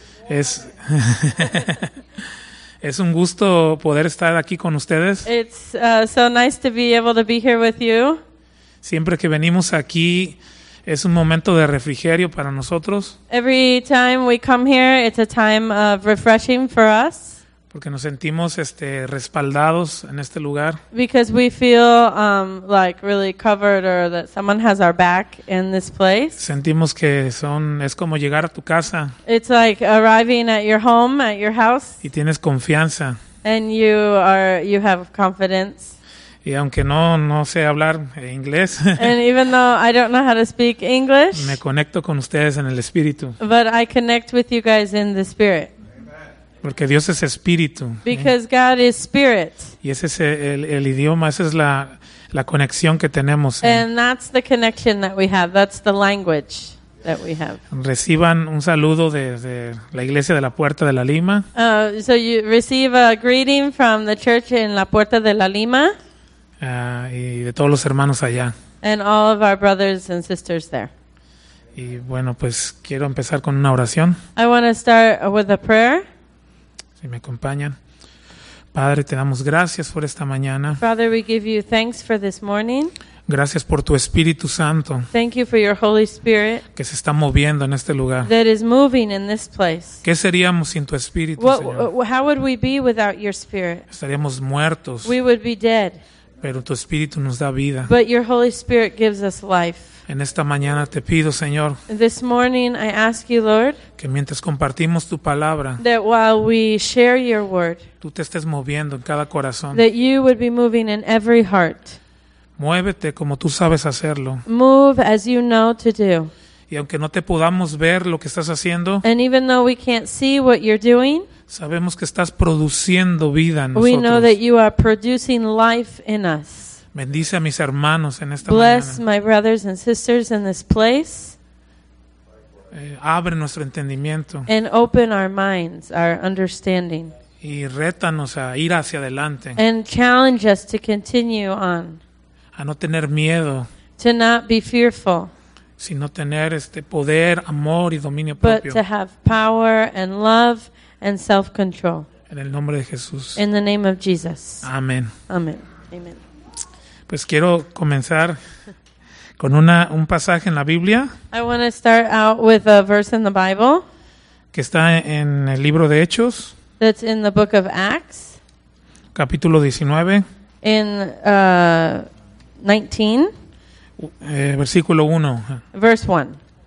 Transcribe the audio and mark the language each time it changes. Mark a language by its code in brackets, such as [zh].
[es] Es un gusto poder estar aquí con ustedes. [en] It's so nice to be able to be here with you. [es] Siempre que venimos aquí es un momento de refrigerio para nosotros. [en] Every time we come here, it's a time of refreshing for us. [es] Porque nos sentimos respaldados en este lugar. [en] Because we feel like really covered or that someone has our back in this place. [es] Sentimos que es como llegar a tu casa. [en] It's like arriving at your home, at your house. [es] Y tienes confianza. [en] And you have confidence. [es] Y aunque no sé hablar inglés. [en] And even though I don't know how to speak English. [es] Me conecto con ustedes en el espíritu. [en] But I connect with you guys in the spirit. [es] Porque Dios es espíritu. [en] Because God is spirit. [es] Y ese es el idioma, esa es la conexión que tenemos. [en] And that's the connection that we have. That's the language that we have. [es] Reciban un saludo de la iglesia de la Puerta de la Lima. [en] So you receive a greeting from the church in La Puerta de la Lima. [es] Y de todos los hermanos allá. [en] And all of our brothers and sisters there. [es] Y bueno, pues quiero empezar con una oración. [en] I want to start with a prayer. [es] Si me acompañan. Padre, te damos gracias por esta mañana. [en] Father, we give you thanks for this morning. [es] Gracias por tu Espíritu Santo. [en] Thank you for your Holy Spirit. [es] Que se está moviendo en este lugar. [en] That is moving in this place. [es] ¿Qué seríamos sin tu Espíritu, Señor? [en] How would we be without your Spirit? [es] Estaríamos muertos. [en] We would be dead. [es] Pero tu Espíritu nos da vida. [en] But your Holy Spirit gives us life. [es] En esta mañana te pido, Señor. [en] This morning I ask you, Lord. [es] Que mientras compartimos tu palabra. [en] That while we share your word. [es] Tú te estés moviendo en cada corazón. [en] That you would be moving in every heart. [es] Muévete como tú sabes hacerlo. [en] Move as you know to do. [es] Y aunque no te podamos ver lo que estás haciendo. [en] And even though we can't see what you're doing. [es] Sabemos que estás produciendo vida en nosotros. [en] We know that you are producing life in us. [es] Bendice a mis hermanos en esta [en] Bless [es] mañana. [en] My brothers and sisters in this place. [es] Abre nuestro entendimiento. [en] And open our minds, our understanding. [es] Y rétanos a ir hacia adelante. [en] And challenge us to continue on. [es] A no tener miedo. [en] To not be fearful. [es] Sino tener este poder, amor y dominio [en] but [es] propio. [en] But to have power and love and self-control. [es] En el nombre de Jesús. [en] In the name of Jesus. [es] Amén. [en] Amén. Amen. [es] Pues quiero comenzar con un pasaje en la Biblia. [en] I want to start out with a verse in the Bible. [es] Que está en el libro de Hechos. [en] That's in the book of Acts. [es] Capítulo 19. [en] In 19. [es] Versículo 1.